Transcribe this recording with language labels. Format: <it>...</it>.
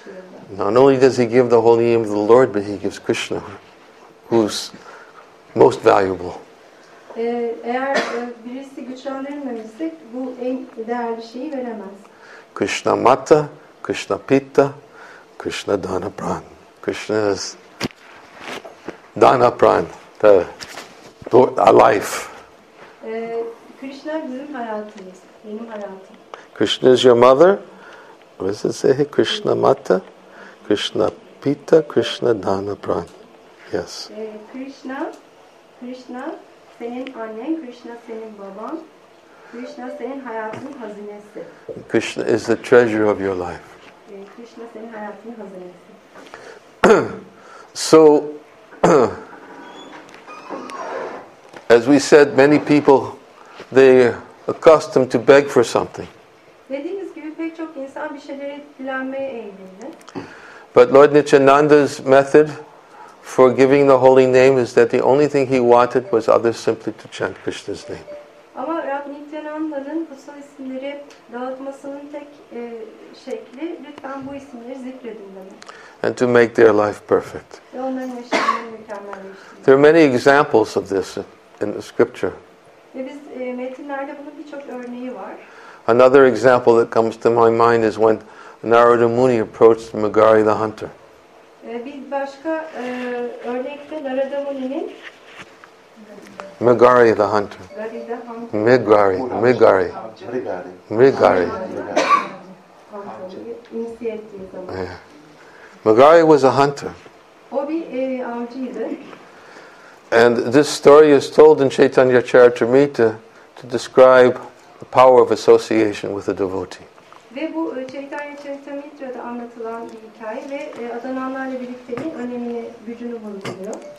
<en>durumda. Not only does he give the holy name of the Lord, but he gives Krishna, who's most valuable.</en> <tr>Eğer birisi güçlendirilmemişse, bu en değerli şeyi veremez.</tr> <bn>Krishna Mata, Krishna Pitta, Krishna Dana Pran.</bn> <en>Krishna is Dana Pran, the life.</en> <tr>Krishna bizim hayatımız, benim hayatım.</tr> <en>Krishna is your mother. What does it say?</en> <bn>Krishna Mata, Krishna Pita, Krishna Dana Pran.</bn> <en>Yes.</en> <tr>Krishna, senin annen, Krishna senin baban, Krishna senin hayatın hazinesi.</tr> <en>Krishna is the treasure of your life.</en> <tr>Krishna senin hayatın hazinesi.</tr> <en>So, as we said, many people, they are accustomed to beg for something.</en> <tr>Dediğiniz gibi pek çok insan bir şeylere dilenmeye eğilimli.</tr> <en>But Lord Nityananda's method for giving the holy name is that the only thing he wanted was others simply to chant Krishna's name.</en> <tr>Ama Rab Nityananda'nın kutsal isimleri dağıtmasının tek şekli lütfen bu isimleri zikredin demek.</tr> <en>And to make their life perfect.</en> <tr>Ve onların yaşamını mükemmelleştirin.</tr> <en>There are many examples of this in the scripture.</en> <tr>Ve biz metinlerde bunun birçok örneği var.</tr> <en>Another example that comes to my mind is when Narada Muni approached Megari the hunter.</en> <tr>Bir başka örnekte Narada Muni'nin</tr> <en>Megari the hunter. Megari, Megari. Megari. Megari was a hunter.</en> <tr>O bir avcıydı.</tr> <en>And this story is told in Chaitanya Charitamrita to describe the power of association with a devotee.</en> <tr>Ve bu Chaitanya Charitamrita'da anlatılan bir hikaye ve adananlarla birlikteliğin önemini, gücünü vurguluyor.</tr>